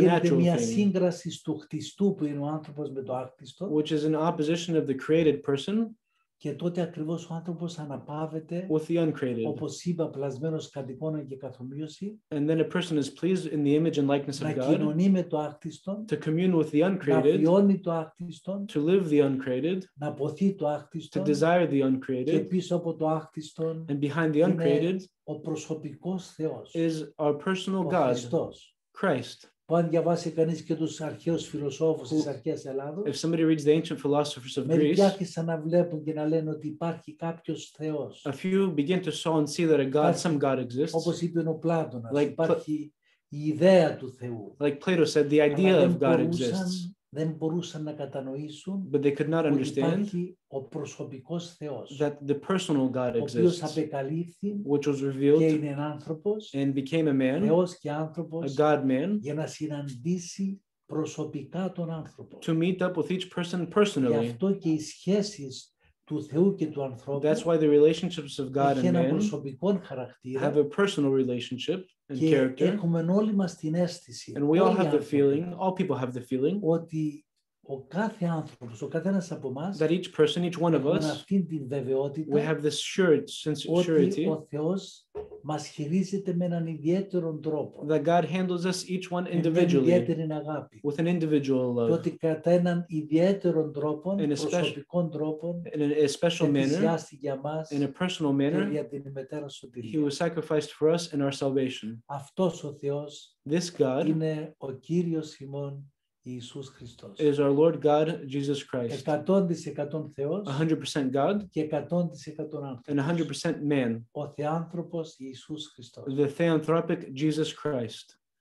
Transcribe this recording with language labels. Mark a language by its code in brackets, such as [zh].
[el] Γίνεται μια σύγκραση του χτιστού που είναι ο άνθρωπος με το άκτιστο, [en] which is an opposition of the created person. [el] Και τότε ακριβώς ο άνθρωπος αναπαύεται, [en] with the uncreated, [el] όπως είπα, πλασμένος κατ' εικόνα και καθομοίωση, [en] and then a person is pleased in the image and likeness of God, [el] να κοινωνεί με το άκτιστο, [en] to commune with the uncreated, [el] να βιώνει το άκτιστο, [en] to live the uncreated, [el] να ποθεί το άκτιστο, [en] to desire the uncreated, [el] και πίσω από το άκτιστο, [en] and behind the uncreated, [el] ο προσωπικός Θεός, [en] is our personal [el] ο [en] God, [el] Χριστός, [en] Christ. [el] Που αν διαβάσει κανείς και τους αρχαίους φιλοσόφους της αρχαίας Ελλάδος, [en] if somebody reads the ancient philosophers of [el] Greece, μερικοί άρχισαν να βλέπουν και να λένε ότι υπάρχει κάποιος Θεός. [en] A few begin to saw and see that a God, some God exists. [el] Όπως είπε ο Πλάτωνας, like υπάρχει η ιδέα του Θεού. [en] Like Plato said, the idea of God exists. [el] Δεν μπορούσαν να κατανοήσουν, [en] but they could not understand, [el] ότι υπάρχει ο προσωπικός Θεός, [en] that the personal God exists, [el] ο οποίος απεκαλύφθη, [en] which was revealed, [el] και είναι άνθρωπος, [en] and became a man, [el] Θεός και άνθρωπος, [en] a God-man, [el] για να συναντήσει προσωπικά τον άνθρωπο, [en] to meet up with each person personally. [el] Γι' αυτό και οι σχέσεις του Θεού και του ανθρώπου, [en] that's why the relationships of God and man, [el] έχει ένα προσωπικό χαρακτήρα, [en] have a personal relationship, [el] και έχουμε όλοι μας την αίσθηση, [en] and we all have the feeling, all people have the feeling, [el] ότι ο κάθε άνθρωπος, ο καθένας από μας, [en] that each person, each one of us, [el] αυτήν την βεβαιότητα, [en] we have this surety, [el] ότι ο Θεός μας χειρίζεται με έναν ιδιαίτερο τρόπο, [en] that God handles us each one individually, [el] ιδιαίτερη αγάπη, [en] with an individual love, [el] ότι κατά έναν ιδιαίτερο τρόπο, προσωπικό τρόπο, [en] in a special manner, [el] για μας, [en] in a personal manner, [el] για την ημετέρα σωτηρία, [en] he was sacrificed for us in our salvation. [el] Αυτός ο Θεός, [en] this God, [el] είναι ο Κύριος ημών Ιησούς Χριστός, [en] is our Lord God, Jesus Christ. [el] 100% Θεός, [en] 100% God, [el] και 100% άνθρωπος, [en] and 100% man. [el] Ο Θεάνθρωπος Ιησούς Χριστός, [en] the Theanthropic Jesus Christ.